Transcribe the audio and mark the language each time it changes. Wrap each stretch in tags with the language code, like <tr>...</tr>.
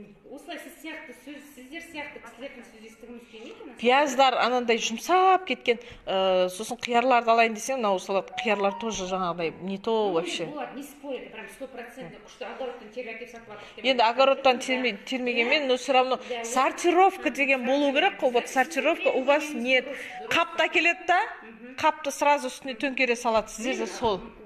<kk>Осылай сіз сияқты сөз, сіздер сияқты кісілердің сөз естігіміз келмейді. Пияздар анандай жұмсап кеткен, сосын қиярларды алайын десең, мынау салат қиярлар тоже жаңағыдай,</kk> <ru>не то вообще.</ru> <kk>Олар</kk> <ru>не спорят,</ru> <kk>прям 100% күшті огородтан теріп әкеп сатып алады. Енді огородтан термегенмен,</kk> <ru>но все равно сортировка</ru> <kk>деген болу керек қой,</kk> <ru>вот сортировка у вас нет.</ru> <kk>Қапта келеді да, қапты сразу үстіне төңкере салады, сіздер де сол.</kk>